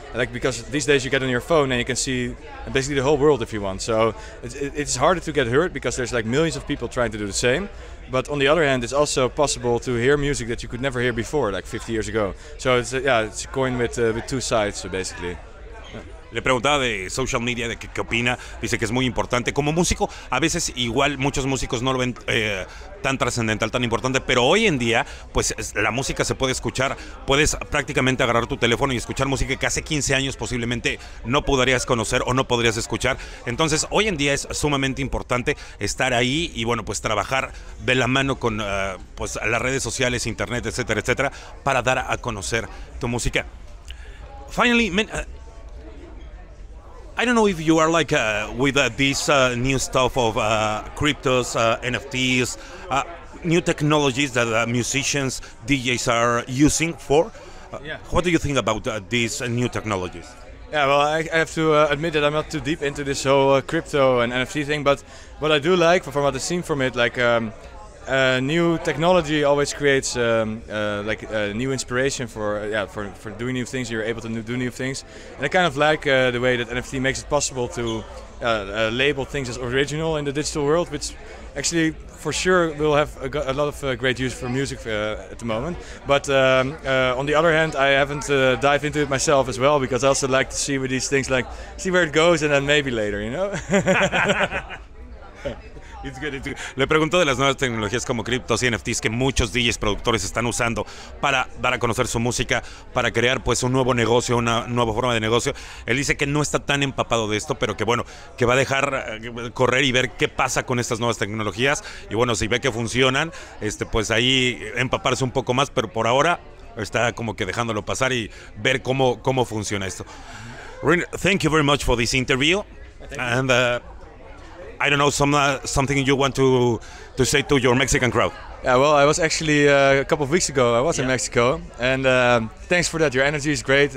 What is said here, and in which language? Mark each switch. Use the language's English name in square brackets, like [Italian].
[English] Like because these days you get on your phone and you can see basically the whole world if you want. So it's harder to get heard because there's like millions of people trying to do the same. But on the other hand, it's also possible to hear music that you could never hear before, like 50 years ago. So it's it's a coin with two sides, basically. [Spanish] Le preguntaba de social media, de qué opina. Dice que es muy importante. Como músico, a veces igual muchos músicos no lo ven tan trascendental, tan importante. Pero hoy en día, pues la música se puede escuchar. Puedes prácticamente agarrar tu teléfono y escuchar música que hace 15 años posiblemente no podrías conocer o no podrías escuchar. Entonces, hoy en día es sumamente importante estar ahí y, bueno, pues trabajar de la mano con pues las redes sociales, internet, etcétera, etcétera, para dar a conocer tu música. [English] Finally, man, I don't know if you are like with this new stuff of cryptos, NFTs, new technologies that musicians, DJs are using for. What do you think about these new technologies? Yeah, well, I have to admit that I'm not too deep into this whole crypto and NFT thing, but what I do like from what I've seen from it, like new technology always creates new inspiration for doing new things. You're able to do new things, and I kind of like the way that NFT makes it possible to label things as original in the digital world, which actually for sure will have a lot of great use for music at the moment. But on the other hand, I haven't dived into it myself as well, because I also like to see with these things, like see where it goes, and then maybe later, you know. It's good. [Spanish] Le pregunto de las nuevas tecnologías como criptos y NFTs que muchos DJs productores están usando para dar a conocer su música, para crear pues un nuevo negocio, una nueva forma de negocio. Él dice que no está tan empapado de esto, pero que bueno, que va a dejar correr y ver qué pasa con estas nuevas tecnologías. Y bueno, si ve que funcionan, pues ahí empaparse un poco más, pero por ahora está como que dejándolo pasar y ver cómo funciona esto. [English] Reinier, thank you very much for this interview. And I don't know, something you want to say to your Mexican crowd. Yeah, well, I was actually a couple of weeks ago, I was in Mexico. And thanks for that. Your energy is great.